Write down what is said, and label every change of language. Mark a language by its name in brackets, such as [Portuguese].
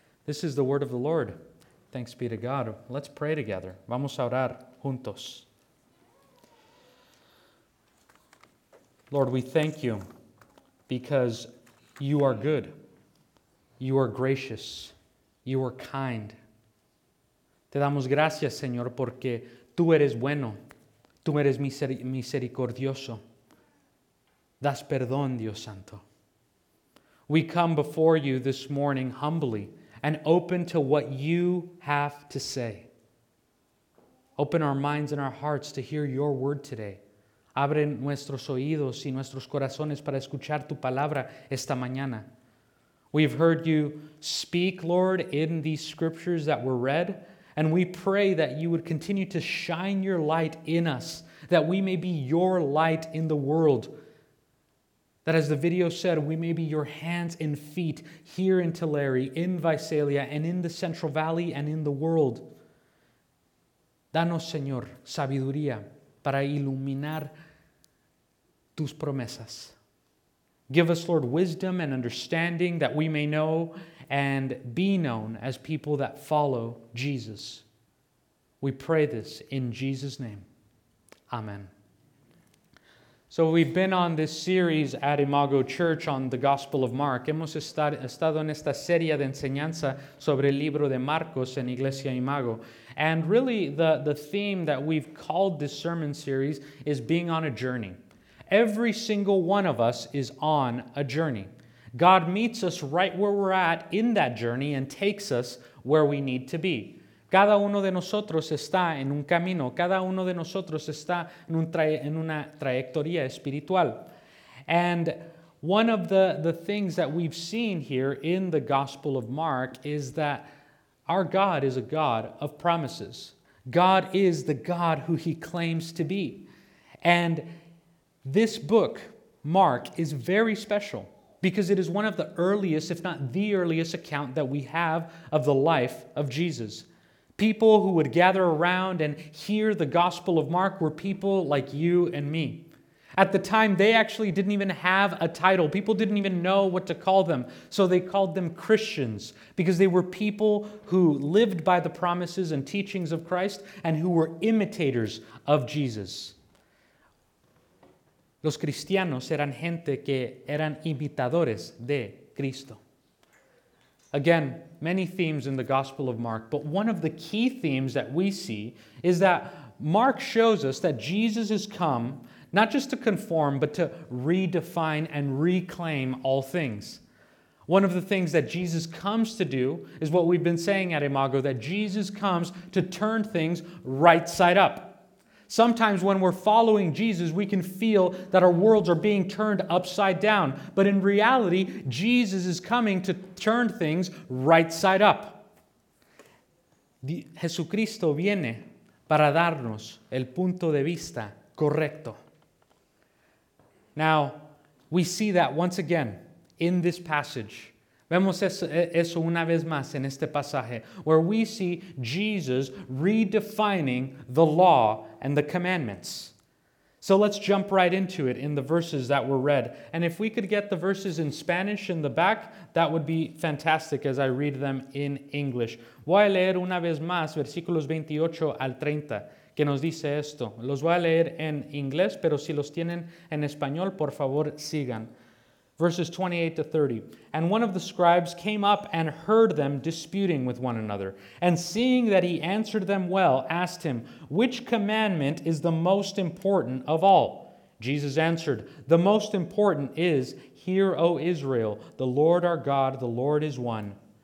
[English] This is the word of the Lord. Thanks be to God. Let's pray together. [Spanish] Vamos a orar juntos. [English] Lord, we thank you because you are good. You are gracious. You are kind. [Spanish] Te damos gracias, Señor, porque tú eres bueno. Tú eres misericordioso. Das perdón, Dios Santo. [English] We come before you this morning humbly and open to what you have to say. Open our minds and our hearts to hear your word today. [Spanish] Abre nuestros oídos y nuestros corazones para escuchar tu palabra esta mañana. [English] We've heard you speak, Lord, in these scriptures that were read, and we pray that you would continue to shine your light in us, that we may be your light in the world. That as the video said, we may be your hands and feet here in Tulare, in Visalia, and in the Central Valley, and in the world. [Spanish] Danos, Señor, sabiduría para iluminar tus promesas. [English] Give us, Lord, wisdom and understanding that we may know and be known as people that follow Jesus. We pray this in Jesus' name. Amen. So we've been on this series at Imago Church on the Gospel of Mark. [Spanish] Hemos estado en esta serie de enseñanza sobre el libro de Marcos en Iglesia Imago. [English] And really, the theme that we've called this sermon series is being on a journey. Every single one of us is on a journey. God meets us right where we're at in that journey and takes us where we need to be. [Spanish] Cada uno de nosotros está en un camino. Cada uno de nosotros está en, en una trayectoria espiritual. [English] And one of the things that we've seen here in the Gospel of Mark is that our God is a God of promises. God is the God who He claims to be. And this book, Mark, is very special because it is one of the earliest, if not the earliest, account that we have of the life of Jesus. People who would gather around and hear the Gospel of Mark were people like you and me. At the time, they actually didn't even have a title. People didn't even know what to call them. So they called them Christians because they were people who lived by the promises and teachings of Christ and who were imitators of Jesus. [Spanish] Los cristianos eran gente que eran imitadores de Cristo. [English] Again, many themes in the Gospel of Mark, but one of the key themes that we see is that Mark shows us that Jesus has come not just to conform, but to redefine and reclaim all things. One of the things that Jesus comes to do is what we've been saying at Imago, that Jesus comes to turn things right side up. Sometimes when we're following Jesus, we can feel that our worlds are being turned upside down. But in reality, Jesus is coming to turn things right side up. [Spanish] Jesucristo viene para darnos el punto de vista correcto. [English] Now, we see that once again in this passage. [Spanish] Vemos eso una vez más en este pasaje, [English] where we see Jesus redefining the law and the commandments. So let's jump right into it in the verses that were read. And if we could get the verses in Spanish in the back, that would be fantastic as I read them in English. [Spanish] Voy a leer una vez más versículos 28 al 30, que nos dice esto. Los voy a leer en inglés, pero si los tienen en español, por favor, sigan. [English] Verses 28 to 30. And one of the scribes came up and heard them disputing with one another. And seeing that he answered them well, asked him, "Which commandment is the most important of all?" Jesus answered, "The most important is, 'Hear, O Israel, the Lord our God, the Lord is one.